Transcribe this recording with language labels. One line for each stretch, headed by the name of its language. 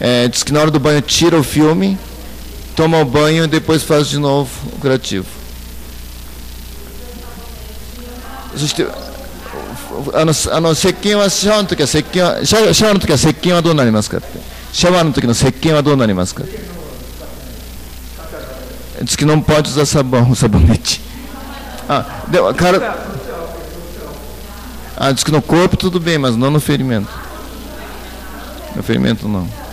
Portuguese: Diz que na hora do banho tira o filme, toma o banho e depois faz de novo o curativo.
Japanese: シャワーの時は石鹸はどうなりますかって。シャワーの時の石鹸はどうなりますか?
Portuguese: Diz que não pode usar sabão, sabonete. Diz que no corpo tudo bem, mas não no ferimento. No ferimento não.